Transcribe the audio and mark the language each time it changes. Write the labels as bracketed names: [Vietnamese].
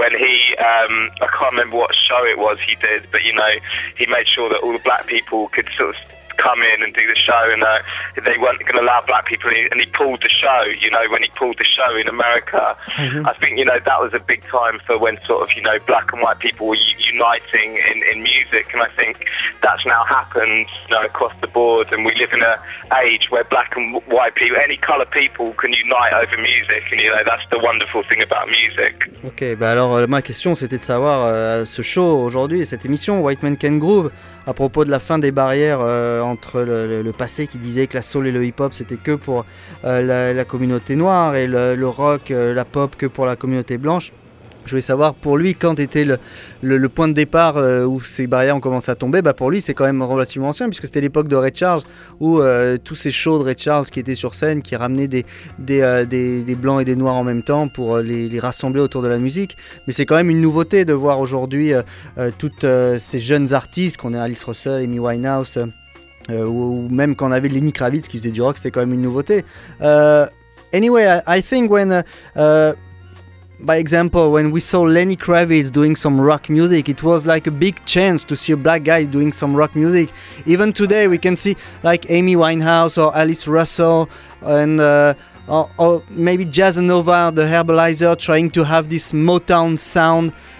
[English] when he, I can't remember what show it was he did, but, you know, he made sure that all the black people could sort of come in and do the show, and they weren't going to allow black people in, and he pulled the show, you know, when he pulled the show in America, mm-hmm. I think, you know, that was a big time for when sort of, you know, black and white people were uniting in music, and I think that's now happened, you know, across the board, and we live in an age where black and white people, any colour people, can unite over music, and, you know, that's the wonderful thing about music. [French] Ok, bah alors ma question c'était de savoir ce show aujourd'hui, cette émission White Men Can Groove, à propos de la fin des barrières entre le passé qui disait que la soul et le hip-hop c'était que pour la communauté noire et le rock, la pop que pour la communauté blanche. Je voulais savoir pour lui quand était le point de départ où ces barrières ont commencé à tomber. Bah pour lui c'est quand même relativement ancien puisque c'était l'époque de Ray Charles où tous ces shows de Ray Charles qui étaient sur scène, qui ramenaient des blancs et des noirs en même temps pour les rassembler autour de la musique. Mais c'est quand même une nouveauté de voir aujourd'hui toutes ces jeunes artistes qu'on a, Alice Russell, Amy Winehouse ou même quand on avait Lenny Kravitz qui faisait du rock, c'était quand même une nouveauté. [English] Anyway, I think when by example, when we saw Lenny Kravitz doing some rock music, it was like a big change to see a black guy doing some rock music. Even today, we can see like Amy Winehouse or Alice Russell and or maybe Jazz Nova, the Herbalizer, trying to have this Motown sound.